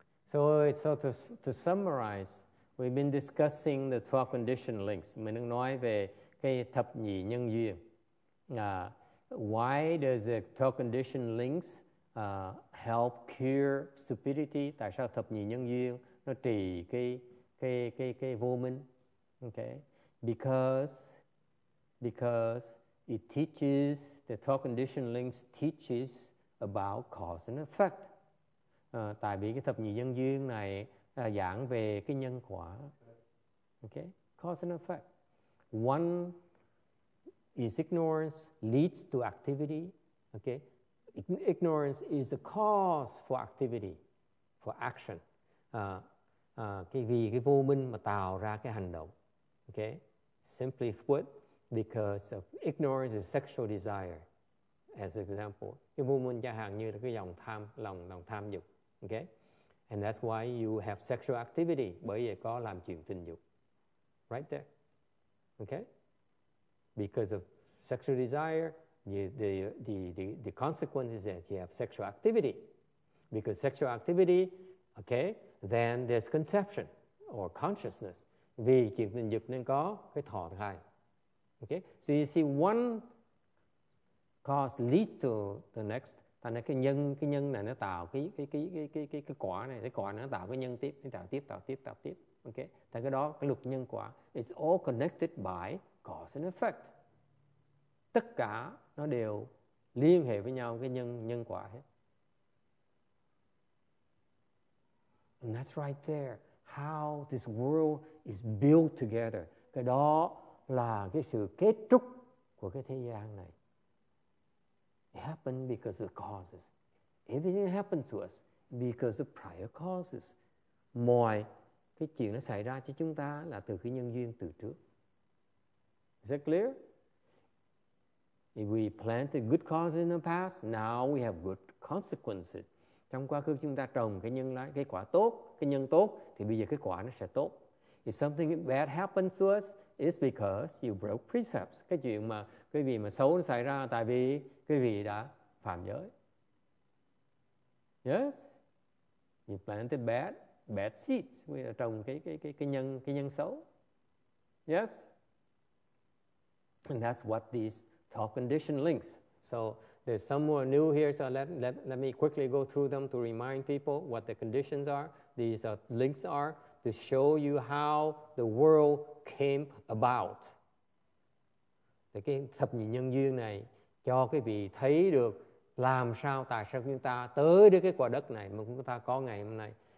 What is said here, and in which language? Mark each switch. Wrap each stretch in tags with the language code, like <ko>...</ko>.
<en>So to summarize, we've been discussing the 12 conditioned links.</en> <vi>Mình đang nói về cái thập nhị nhân duyên.</vi> <en>Why does the 12 conditioned links help cure stupidity?</en> <vi>Tại sao thập nhị nhân duyên nó trị cái vô minh?</vi> <en>Okay. Because it teaches, the 12 conditioned links teaches about cause and effect.</en> <vi>Tại vì cái thập nhị nhân duyên này giảng về cái nhân quả.</vi> <en>Okay? Cause and effect. One is ignorance leads to activity. Okay? Ignorance is the cause for activity, for action.</en> <vi>Vì cái vô minh mà tạo ra cái hành động.</vi> <en>Okay? Simply put, because of ignorance is sexual desire. As an example,</en> <vi>cái vô minh chẳng hạn như là cái dòng tham, lòng tham dục. Okay?</vi> <en>And that's why you have sexual activity,</en> <vi>bởi vì có làm chuyện tình dục.</vi> <en>Right there. Okay? Because of sexual desire, the consequence is that you have sexual activity. Because sexual activity, okay, then there's conception or consciousness.</en> <vi>Vì chuyện tình dục nên có cái thọ thai.</vi> <en>Okay? So you see one cause leads to the next.</en> <vi>Tại nên cái nhân này nó tạo cái quả này, cái quả này nó tạo cái nhân tiếp, nó tạo tiếp. Okay? Tại cái đó cái luật nhân quả</vi> <en>is all connected by cause and effect.</en> <vi>Tất cả nó đều liên hệ với nhau cái nhân quả hết.</vi> <en>And that's right there how this world is built together.</en> <vi>Cái đó là cái sự kết trúc của cái thế gian này.</vi> <en>It happened because of causes. Everything happened to us because of prior causes.</en> <vi>Mọi cái chuyện nó xảy ra cho chúng ta là từ cái nhân duyên từ trước.</vi> <en>Is that clear? If we planted good causes in the past, now we have good consequences.</en> <vi>Trong quá khứ chúng ta trồng cái nhân lại, cái quả tốt, cái nhân tốt, thì bây giờ cái quả nó sẽ tốt.</vi> <en>If something bad happens to us, it's because you broke precepts.</en> <vi>Cái chuyện mà quý vị mà xấu nó xảy ra tại vì quý vị đã phạm giới. Yes?</vi> <en>You planted bad seeds. We are</en> <vi>trồng cái nhân xấu.</vi> <en>Yes? And that's what these 12 conditioned links. So there's some more new here, so let me quickly go through them to remind people what the conditions are. These links are to show you how the world came about.</en> <vi>Cái thập nhị nhân duyên này cho quý vị thấy được làm sao, tại sao chúng ta tới được cái quả đất này mà chúng ta có ngày hôm nay.</vi>